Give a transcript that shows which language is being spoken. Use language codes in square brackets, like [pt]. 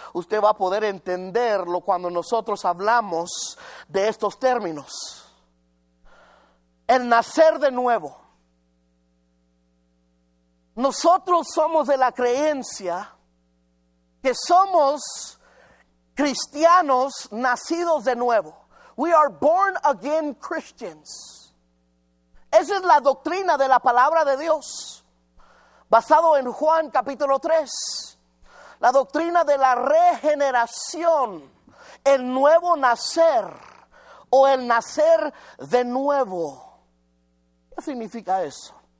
[es] Usted va a poder entenderlo cuando nosotros hablamos de estos términos. El nacer de nuevo. Nosotros somos de la creencia que somos cristianos nacidos de nuevo. [en] We are born again Christians. [es] Esa es la doctrina de la palabra de Dios. Basado en Juan capítulo 3. La doctrina de la regeneración. El nuevo nacer. O el nacer de nuevo. ¿Qué significa eso?